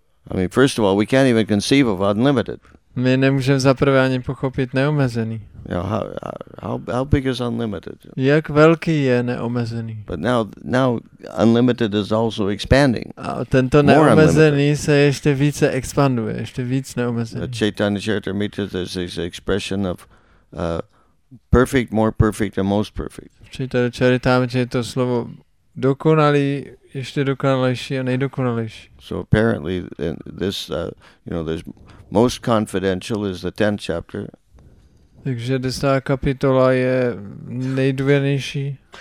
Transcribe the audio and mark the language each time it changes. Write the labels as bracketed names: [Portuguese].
[English] I mean, first of all, we can't even conceive of unlimited. [Czech] My nemůžeme zaprvé ani pochopit neomezený. [English] You know, how big is unlimited? [Czech] Jak velký je neomezený? [English] But now unlimited is also expanding. [Czech] A tento more neomezený se ještě více expanduje, ještě víc neomezený. [English] The Chaitanya Charitamrita, there's this expression of perfect, more perfect, and most perfect. [Czech] V Chaitanya Charitamrita je to slovo dokonalý, ještě dokonalejší a nejdokonalejší. [English] So apparently in this you know there's most confidential is the 10th chapter. [Czech] Takže 10. kapitola je nejdůvěrnější.